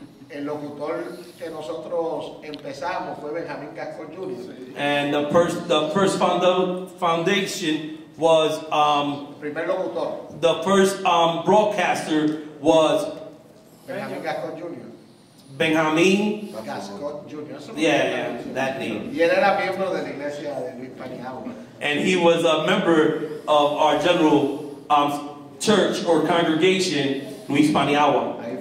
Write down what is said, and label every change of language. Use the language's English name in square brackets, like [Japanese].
[Spanish] El locutor que nosotros empezamos fue Benjamin Cascos Jr. [English] And the first foundation was [Spanish] primer locutor. [English] The first broadcaster was Benjamin Cascos Jr. Benjamin Cascos Jr. That name. [Spanish] Y él era miembro de la iglesia de Luis Paniagua. [English] And he was a member of our general church or congregation, Luis Paniagua.